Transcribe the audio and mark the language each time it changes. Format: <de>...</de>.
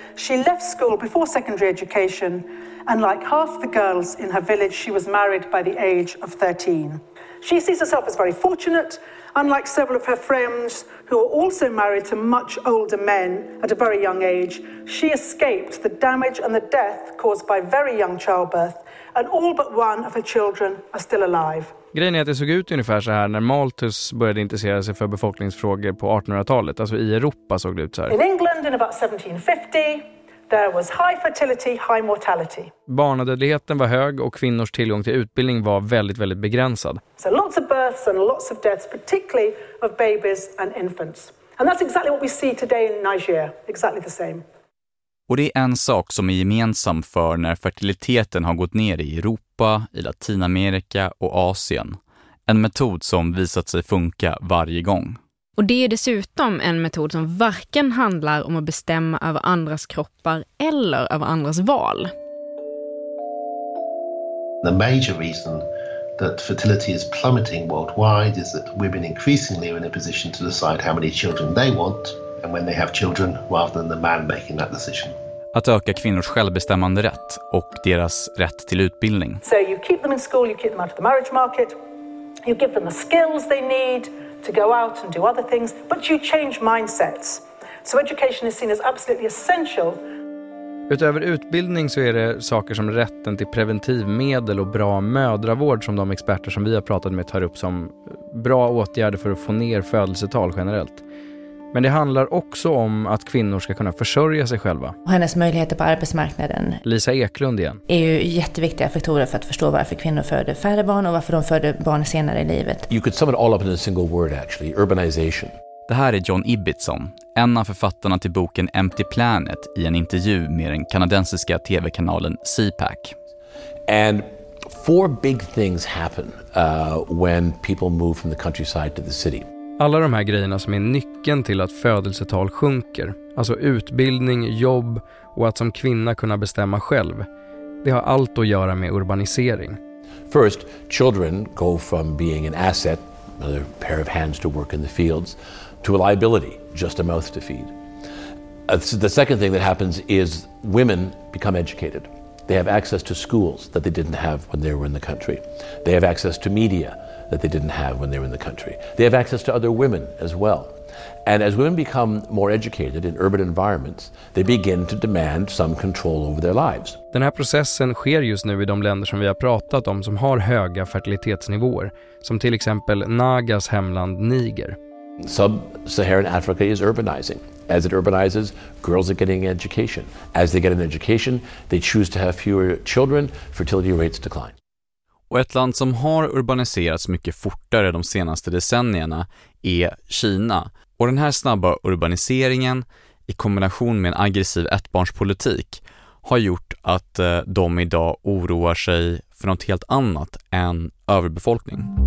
<en>She left school before secondary education, and like half the girls in her village, she was married by the age of 13. She sees herself as very fortunate, unlike several of her friends who are also married to much older men at a very young age. She escaped the damage and the death caused by very young childbirth, and all but one of her children are still alive.</en> <sv>Grejen är att det såg ut ungefär så här när Malthus började intressera sig för befolkningsfrågor på 1800-talet, alltså i Europa såg det ut så här.</sv> <en>In England in about 1750, there was high fertility, high mortality.</en> <sv>Barnadödligheten var hög och kvinnors tillgång till utbildning var väldigt, väldigt begränsad.</sv> <en>So lots of births and lots of deaths, particularly of babies and infants. And that's exactly what we see today in Niger, exactly the same.</en> <sv>Och det är en sak som är gemensam för när fertiliteten har gått ner i Europa, i Latinamerika och Asien. En metod som visat sig funka varje gång. Och det är dessutom en metod som varken handlar om att bestämma över andras kroppar eller över andras val.</sv> <en>The major reason that fertility is plummeting worldwide is that women increasingly are in a position to decide how many children they want and when they have children rather than the man making that decision.</en> <sv>Att öka kvinnors självbestämmande rätt och deras rätt till utbildning.</sv> <en>So you keep them in school, you keep them out of the marriage market. You give them the skills they need to go out and do other things, but you change mindsets. So education is seen as absolutely essential.</en> <sv>Utöver utbildning så är det saker som rätten till preventivmedel och bra mödravård som de experter som vi har pratat med tar upp som bra åtgärder för att få ner födelsetal generellt. Men det handlar också om att kvinnor ska kunna försörja sig själva. Och hennes möjligheter på arbetsmarknaden. Lisa Eklund igen. Är ju jätteviktiga faktorer för att förstå varför kvinnor föder färre barn och varför de föder barn senare i livet.</sv> <en>You could sum it all up in a single word actually, urbanization.</en> <sv>Det här är John Ibbitson, en av författarna till boken Empty Planet, i en intervju med den kanadensiska TV-kanalen CPAC.</sv> <en>And four big things happen when people move from the countryside to the city.</en> <sv>Alla de här grejerna som är nyckeln till att födelsetal sjunker, alltså utbildning, jobb och att som kvinna kunna bestämma själv, det har allt att göra med urbanisering.</sv> <en>First, children go from being an asset, another pair of hands to work in the fields, to a liability, just a mouth to feed. The second thing that happens is women become educated. They have access to schools that they didn't have when they were in the country. They have access to media that they didn't have when they were in the country. They have access to other women as well. And as women become more educated in urban environments, they begin to demand some control over their lives.</en> <sv>Den här processen sker just nu i de länder som vi har pratat om som har höga fertilitetsnivåer, som till exempel Nagas hemland Niger.</sv> <en>Sub-Saharan Africa is urbanizing. As it urbanizes, girls are getting education. As they get an education, they choose to have fewer children, fertility rates decline.</en> <sv>Och ett land som har urbaniserats mycket fortare de senaste decennierna är Kina. Och den här snabba urbaniseringen i kombination med en aggressiv ettbarnspolitik har gjort att de idag oroar sig för något helt annat än överbefolkning.</sv>